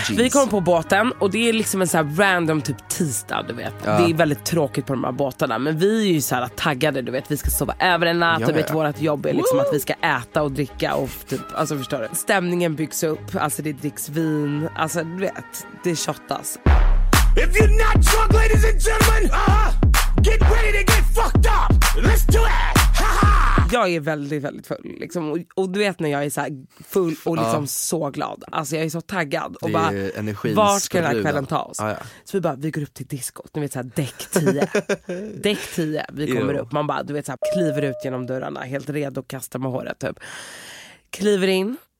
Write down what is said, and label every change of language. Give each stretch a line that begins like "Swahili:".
Swedish: Vi kommer på båten och det är liksom en så här random typ tisdag, du vet. Ja. Det är väldigt tråkigt på de här båtarna, men vi är ju så här taggade, du vet, vi ska sova över en natt, ja, du vet, ja. Vårat jobb är liksom att vi ska äta och dricka och typ, alltså förstår du? Stämningen byggs upp, alltså det dricks vin, alltså du vet, det shottas.
English: If you're not drunk, ladies and gentlemen, get ready to get fucked up. Let's do it.
Swedish: Jag är väldigt, väldigt full liksom. Och du vet när jag är så här full och liksom så glad. Alltså jag är så taggad. Och det är bara, energin, vart ska den här kvällen ta oss? Ah, ja. Så vi bara, vi går upp till diskot. Ni vet såhär, däck 10. Däck 10, vi kommer upp. Man bara, du vet såhär, kliver ut genom dörrarna. Helt redo att kasta med håret typ. Kliver in.